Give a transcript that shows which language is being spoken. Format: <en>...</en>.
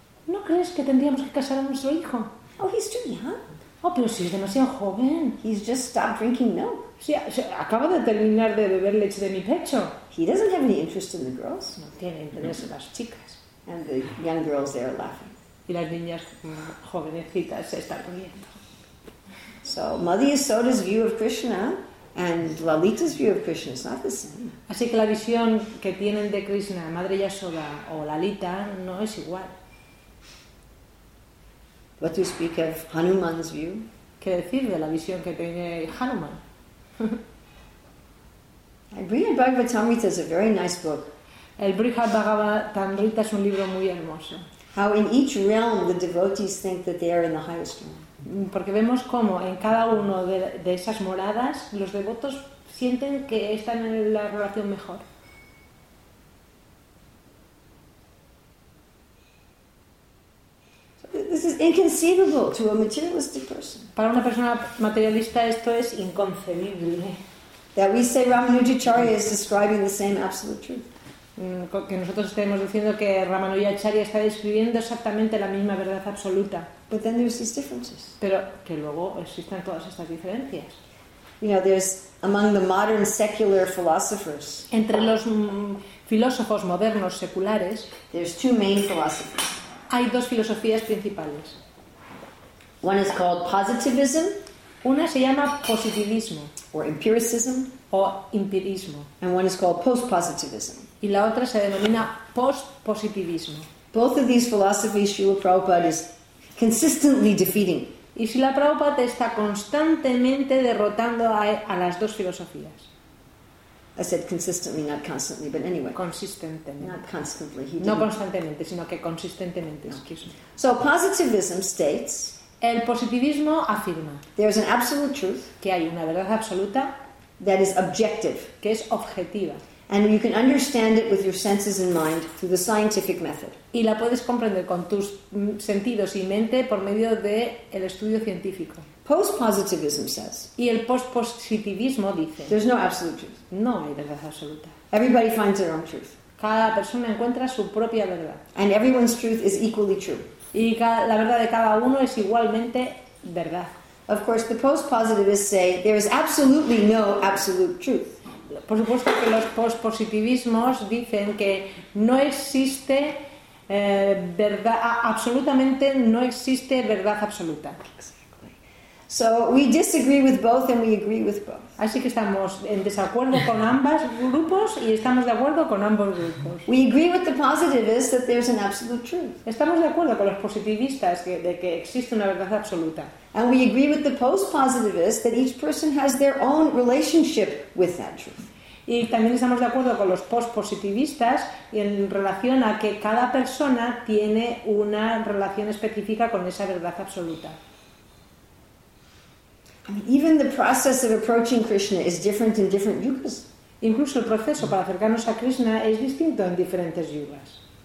<es>¿No crees que tendríamos que casar a nuestro hijo?</es> <en>Oh, he's too young.</en> <es>Oh, pero si es demasiado joven.</es> <en>He's just stopped drinking milk.</en> <es>Sí, acaba de terminar de beber leche de mi pecho.</es> <en>He doesn't have any interest in the girls.</en> <es>No tiene interés en las chicas.</es> <en>And the young girls there are laughing.</en> <es>Y las niñas jovencitas se están riendo.</es> <en>So Mother Yasoda's view of Krishna and Lalita's view of Krishna is not the same.</en> <es>Así que la visión que tienen de Krishna, Madre Yasoda o Lalita, no es igual.</es> <en>What to speak of Hanuman's view?</en> <es>¿Qué decir de la visión que tiene Hanuman?</es> <en>Brihad Bhagavatamrita is a very nice book.</en> <es>El Brihad Bhagavatamrita es un libro muy hermoso.</es> <en>How in each realm the devotees think that they are in the highest realm.</en> <es>Porque vemos cómo en cada uno de esas moradas los devotos sienten que están en la relación mejor.</es> <en>This is inconceivable to a materialistic person.</en> <es>Para una persona materialista esto es inconcebible.</es> <en>That we say Ramanujacharya is describing the same absolute truth.</en> <es>Que nosotros estemos diciendo que Ramanujacharya está describiendo exactamente la misma verdad absoluta.</es> <en>But then there's these differences.</en> <es>Pero que luego existen todas estas diferencias.</es> <en>You know, there's among the modern secular philosophers.</en> <es>Entre los filósofos modernos seculares.</es> <en>There's two main philosophies.</en> <es>Hay dos filosofías principales.</es> <en>One is called positivism.</en> <es>Una se llama positivismo.</es> <en>Or empiricism.</en> <es>O empirismo.</es> <en>And one is called post-positivism.</en> <es>Y la otra se denomina post-positivismo.</es> <en>Both of these philosophies Srila Prabhupada is consistently defeating.</en> <es>Y Srila Prabhupada está constantemente derrotando a las dos filosofías.</es> <en>I said consistently, not constantly, but anyway.</en> <es>Consistentemente.</es> <en>Not constantly. He</en> <es>no constantemente, sino que consistentemente. No.</es> <en>Excuse me. So positivism states.</en> <es>El positivismo afirma.</es> <en>There is an absolute truth.</en> <es>Que hay una verdad absoluta.</es> <en>That is objective.</en> <es>Que es objetiva.</es> <en>And you can understand it with your senses and mind through the scientific method.</en> <es>Y la puedes comprender con tus sentidos y mente por medio de el estudio científico.</es> <en>Post-positivism says.</en> <es>Y el post-positivismo dice.</es> <en>There's no absolute truth.</en> <es>No hay verdad absoluta.</es> <en>Everybody finds their own truth.</en> <es>Cada persona encuentra su propia verdad.</es> <en>And everyone's truth is equally true.</en> <es>Y la verdad de cada uno es igualmente verdad.</es> <en>Of course, the post-positivists say there is absolutely no absolute truth.</en> <es>Por supuesto que los post-positivismos dicen que no existe verdad absolutamente, no existe verdad absoluta.</es> <en>So we disagree with both and we agree with both.</en> <es>Así que estamos en desacuerdo con ambos grupos y estamos de acuerdo con ambos grupos.</es> <en>We agree with the positivists that there's an absolute truth.</en> <es>Estamos de acuerdo con los positivistas de que existe una verdad absoluta.</es> <en>And we agree with the post-positivists that each person has their own relationship with that truth.</en> <es>Y también estamos de acuerdo con los post-positivistas en relación a que cada persona tiene una relación específica con esa verdad absoluta.</es> <en>Even the process of approaching Krishna is different in different yugas.</en> <es>Incluso el proceso para acercarnos a Krishna es distinto en diferentes yugas.</es>